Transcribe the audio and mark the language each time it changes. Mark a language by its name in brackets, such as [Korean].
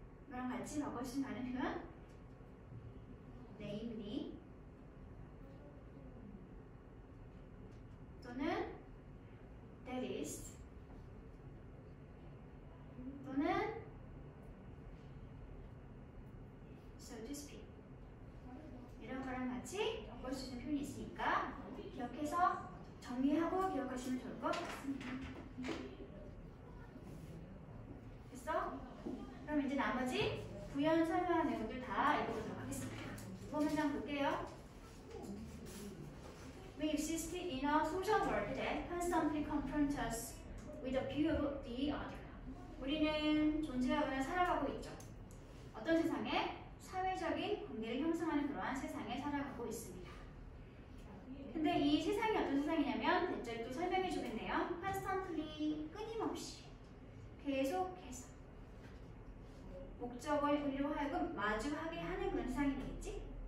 [Korean] 그럼 같이 바꿔주신 다른 표현 namely 또는 that is 또는 so to speak 이런 거랑 같이 엮어주시는 표현이 있으니까 기억해서 정리하고 기억하시면 좋을 것 같습니다. 됐어? 그럼 이제 나머지 부연 설명한 내용들 다 읽어보도록 하겠습니다. 5번 문장 볼게요. [English] We exist in a social world that constantly confronts us with a view of the other. [Korean] 우리는 존재하거나 살아가고 있죠. 어떤 세상에? 사회적인 관계를 형성하는 그러한 세상에 살아가고 있습니다. 근데 이 세상이 어떤 세상이냐면 대체로 또 설명해 주겠네요. Constantly, 끊임없이, 계속해서 목적을 이루려고 하여금 마주하게 하는 그런 세상이 되겠지?